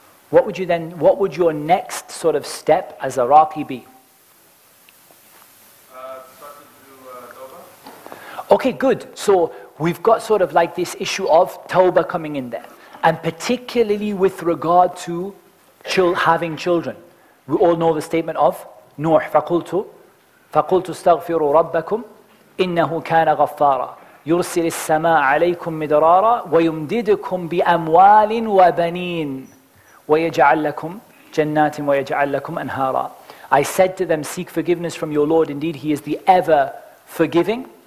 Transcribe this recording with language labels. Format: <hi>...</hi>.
<en>What would your next sort of step as a Raqi be? Okay, good. So we've got sort of like this issue of tawbah coming in there. And particularly with regard to having children. We all know the statement of Nuh,</en> <ar>فَقُلْتُ اسْتَغْفِرُوا رَبَّكُمْ إِنَّهُ كَانَ غَفَّارًا يُرْسِلِ السَّمَاءَ عَلَيْكُمْ مِدْرَارًا وَيُمْدِدُكُمْ بِأَمْوَالٍ وَبَنِينَ وَيَجْعَلْ لَكُمْ جَنَّاتٍ وَيَجْعَلْ لَكُمْ أَنْهَارًا.</ar> <en>I said to them, seek forgiveness from your Lord. Indeed, He is the ever forgiving.</en>